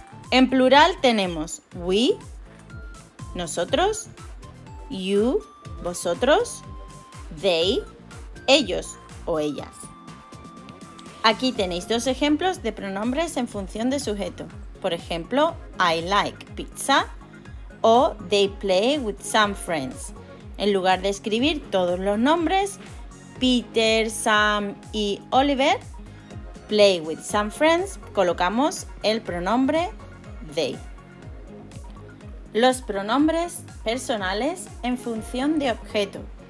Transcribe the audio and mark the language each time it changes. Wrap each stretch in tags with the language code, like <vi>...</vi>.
<es>En plural tenemos we, nosotros, you, vosotros, they, ellos o ellas. Aquí tenéis dos ejemplos de pronombres en función de sujeto. Por ejemplo,</es> <en>I like pizza</en> <es>o</es> <en>they play with some friends.</en> <es>En lugar de escribir todos los nombres, Peter, Sam y Oliver</es> <en>play with some friends,</en> <es>colocamos el pronombre they. Los pronombres personales en función de objeto.</es>